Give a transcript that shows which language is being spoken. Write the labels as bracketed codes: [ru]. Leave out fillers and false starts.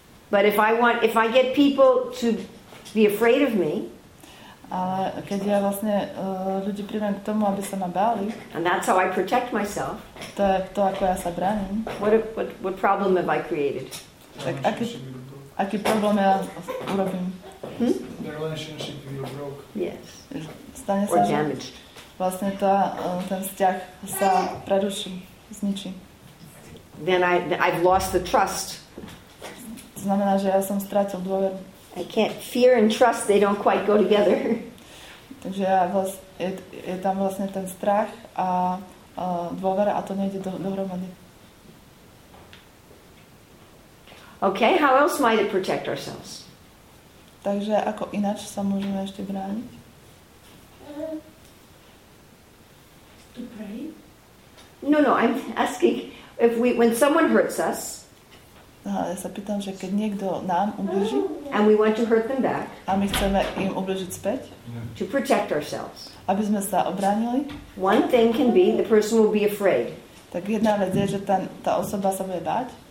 [en] But if I get people to be afraid of me, [sk] ale keď ja vlastne ľudí priviem k tomu, aby sa ma báli, [en] and that's how I protect myself, [sk] to je to, ako ja sa bránim. [en] What problem have I created? [sk] Tak aký problém ja urobím? [en] The relationship you broke. Yes. [sk] Stane sa, [en] or damaged. [sk] Vlastne to, ten vzťah sa preruší, zničí. [en] Then I've lost the trust. [sk] To znamená, že ja som strátil dôveru. [en] I can't fear and trust, they don't quite go together. [sk] Takže je tam vlastne ten strach a dôvera a to nejde dohromady. [en] Okay, how else might it protect ourselves? [sk] Takže ako ináč sa môžeme ešte brániť? [en] To pray? No, I'm asking when someone hurts us. [sk] Ja sa pýtam, že keď niekto nám ublíži, [en] and we want to hurt them back, [sk] a my chceme im ublížiť späť, [en] to protect ourselves, [sk] aby sme sa obránili, [en] one thing can be the person will be afraid. [sk] Tak jedna vec je, že tá osoba sa bude báť.